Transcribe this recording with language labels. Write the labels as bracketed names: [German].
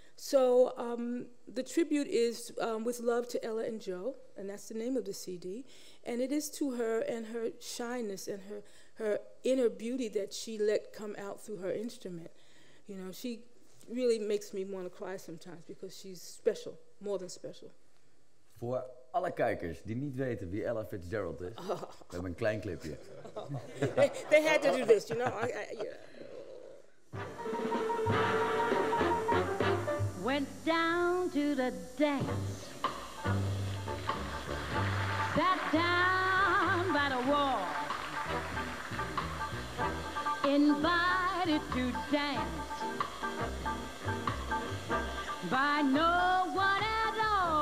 [English] So the tribute is with love to Ella and Joe, and that's the name of the CD, and it is to her and her shyness and her inner beauty that she let come out through her instrument. You know, she really makes me want to cry sometimes because she's special, more than special. [Dutch] For alle kijkers die niet weten wie Ella Fitzgerald is, we hebben een klein clipje. [English] They had to do this, you know. Went down to the dance, sat down by the wall, invited to dance by no one at all.